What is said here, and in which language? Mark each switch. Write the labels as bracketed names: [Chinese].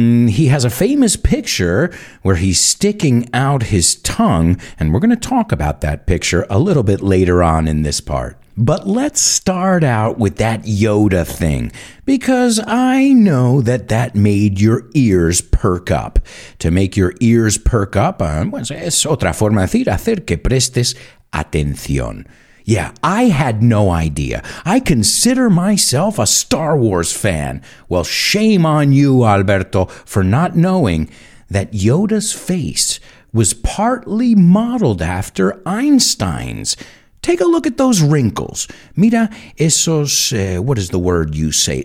[English] He has a famous picture where he's sticking out his tongue, and we're going to talk about that picture a little bit later on in this part. But let's start out with that Yoda thing, because I know that that made your ears perk up. To make your ears perk up, [Spanish] pues es otra forma de decir hacer que prestes atención. [English] Yeah, I had no idea. I consider myself a Star Wars fan. Well, shame on you, Alberto, for not knowing that Yoda's face was partly modeled after Einstein's. Take a look at those wrinkles. [Spanish] Mira esos, [English] what is the word you say?